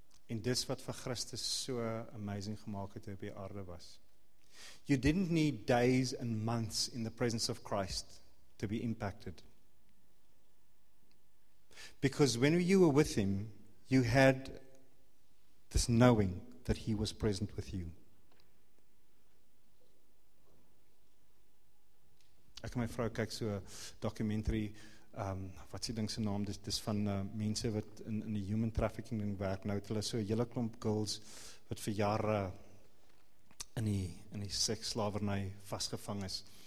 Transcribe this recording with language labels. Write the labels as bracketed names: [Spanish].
[Afrikaans] En dis wat vir Christus so amazing gemaakt het op die aarde was. [English] You didn't need days and months in the presence of Christ to be impacted. Because when you were with him, you had this knowing that he was present with you. [Afrikaans] Ek en my vrou kyk so 'n documentary, wat sê ding se naam, dis van mense wat in die human trafficking ding werk, nou het hulle so 'n hele klomp girls wat vir jare in die seksslavernij vastgevang is.